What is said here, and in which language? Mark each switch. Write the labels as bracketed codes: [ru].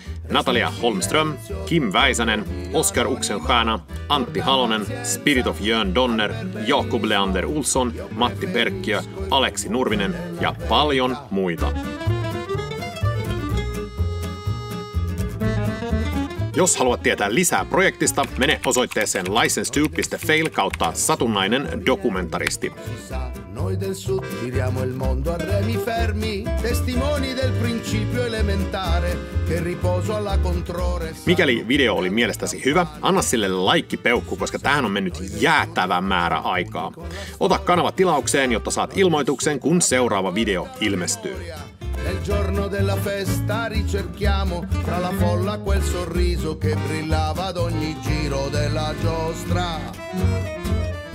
[fi] Natalia Holmström, Kim Väisänen, Oskar Uxenstierna, Antti Halonen, Spirit of Jörn Donner, Jakob Leander Olsson, Matti Perkkiö, Aleksi Nurvinen ja paljon muita. Jos haluat tietää lisää projektista, mene osoitteeseen license2.fail kautta satunnainen dokumentaristi. [it] Noi del sud tiriamo il mondo a remi fermi, testimoni del principio elementare che riposo alla controre. [fi] Mikäli video oli mielestäsi hyvä, anna sille like peukku, koska tähän on mennyt jäätävä määrä aikaa. Ota kanava tilaukseen, jotta saat ilmoituksen, kun seuraava video ilmestyy. [it] Nel giorno della festa ricerchiamo tra la folla quel sorriso che brillava ad ogni giro della giostra.